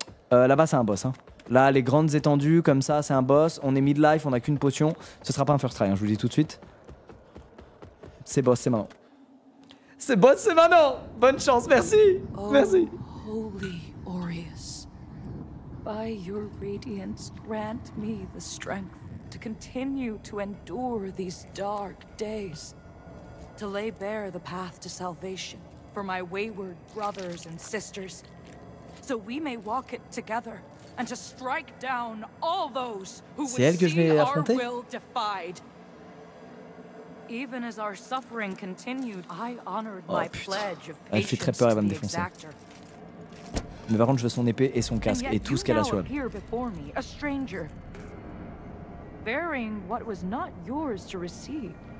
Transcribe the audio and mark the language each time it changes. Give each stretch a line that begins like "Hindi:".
French: Là-bas, c'est un boss, hein. Là, les grandes étendues, comme ça, c'est un boss. On est mid-life, on a qu'une potion. Ce sera pas un first try, hein, je vous le dis tout de suite. C'est boss, c'est maintenant. C'est boss, c'est maintenant. Bonne chance, merci. Oh, merci.
English: Holy Aureus. By your radiance, grant me the strength to continue to endure these dark days. To lay bare the path to salvation for my wayward brothers and sisters. So we may walk it together. And to strike down all those who would see our will defied. Even as our suffering continued, I honored my pledge of patience.
French: Elle fait très peur, elle va me défoncer. Mais par contre, je veux son épée et son casque et tout ce qu'elle a sur elle.
English: Here before me, a stranger, bearing what was not yours to receive.